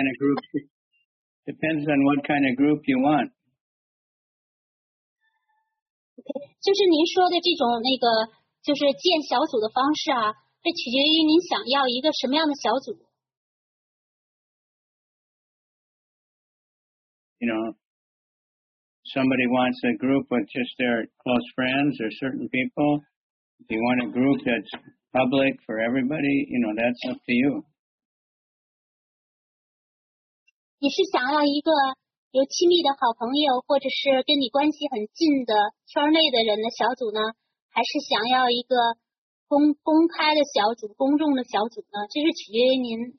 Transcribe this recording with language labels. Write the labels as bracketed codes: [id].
[en] depends on what kind of group you want. [zh] Okay, 就是您说的这种那个就是建小组的方式啊，这取决于您想要一个什么样的小组。 [en] You know, somebody wants a group with just their close friends or certain people. If you want a group that's public for everybody, you know, that's up to you. [zh] 你是想要一个有亲密的好朋友，或者是跟你关系很近的圈内的人的小组呢？还是想要一个公开的小组、公众的小组呢？这是取决于您。